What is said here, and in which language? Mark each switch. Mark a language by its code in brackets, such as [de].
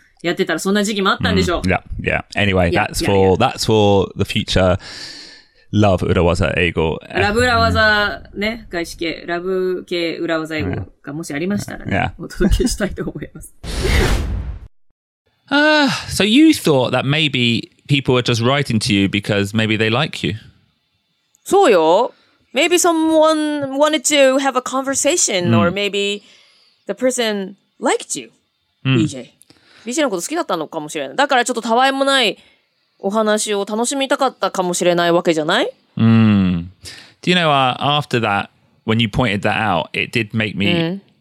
[ja] やってたらそんな時期もあったんでしょう。 [en] Mm. Yeah, yeah. Anyway, yeah, that's for, yeah, yeah. that's for the future. [ja] Love 裏技英語。ラブ裏技ね、外資系、ラブ系裏技英語がもしありましたら、ね、 [en] yeah. [ja] お届けしたいと思います。 [en] So you thought that maybe people were just writing to you because maybe they like you. [ja] そうよ。 [en] Maybe someone wanted to have a conversation、mm. or maybe the person liked you,、mm. BJ. [ja] BJ のこと好きだったのかもしれない。だからちょっとたわいもないお話を楽しみたかったかもしれないわけじゃない、 mm. [en] Do you know,、after that, when you pointed that out, it did make me、mm.